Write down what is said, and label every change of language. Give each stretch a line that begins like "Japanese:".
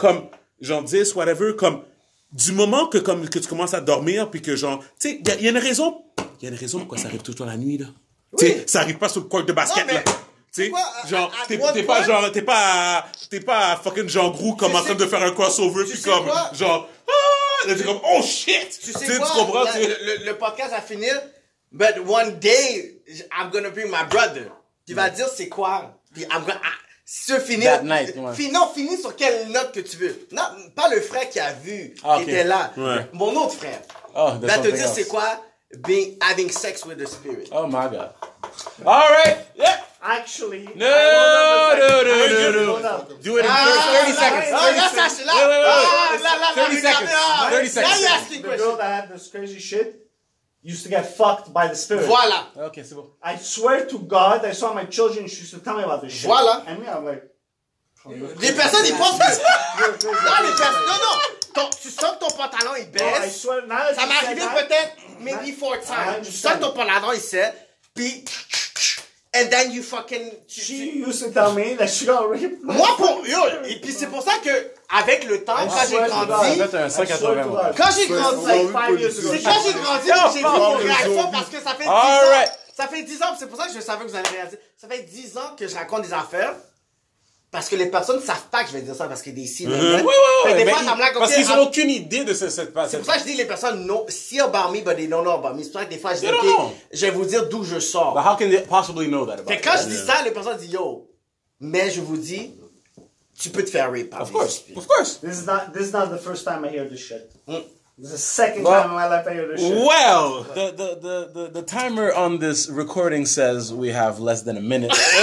French: Comme, genre 10, whatever, comme, du moment que, comme, que tu commences à dormir, puis que genre, tu sais, il y a une raison, pourquoi ça arrive toujours la nuit, là, tu sais, ça arrive pas sur le court de basket, non, mais... là. Tu sais, genre, t'es pas fucking genre gros comme en train de faire un crossover, puis comme, genre, t'es comme, oh shit! Tu sais quoi? Tu comprends?
English: Le podcast a fini, but one day, I'm gonna bring my brother.
French: Qui va dire c'est quoi? Puis I'm gonna. Se finir.
English: That night, ouais.
French: Finis sur quelle note que tu veux. Non, pas le frère qui a vu, qui était là. Ouais. Mon autre frère. Oh,
English: va te dire c'est quoi? Being having sex with the spirit. Oh my god. All right. Yeah. Actually. No. Do it in 30 seconds. Oh, that's actually. Wait, wait, wait. 30 seconds. 30 seconds. Now you're asking questions. The girl that had this crazy shit used to get fucked by the spirit.
French: Voilà. Okay, c'est bon.
English: I swear to God, I saw my children. She used to tell me about this shit. Voilà. And me, I'm like.
French: Les personnes, ils pensent pas. Non, les personnes. Non, non. Tu sens que ton pantalon, il baisse. Ça m'est arrivé peut-être. Maybe four times. Tu sens ton pantalon, il sait. Puis.
English: And then you fucking. She used to tell me that she got raped.
French: Moi, pour. Yo. Et puis, c'est pour ça que, avec le temps, quand j'ai grandi. Quand j'ai grandi. C'est quand j'ai grandi que j'ai vu une réaction parce que ça fait 10 ans. Ça fait 10 ans. C'est pour ça que je savais que vous allez réaliser. Ça fait 10 ans que je raconte des affaires. Parce que les personnes ne savent pas que je vais dire ça parce qu'il est ici. Parce qu'ils n'ont aucune idée de cette passion. C'est pour ça que je dis que les personnes non, see about me, but they don't know about me. C'est pour ça que des fois, je dis, okay, je vais vous dire d'où je sors.
English: But how can they possibly know that about me?
French: Quand je dis ça, les personnes disent, yo, mais je vous dis, tu peux te faire rape.
English: Of course. This is not the first time I hear this shit. This is the second time in my life I hear this shit. Well, the timer on this recording says we have less than a minute.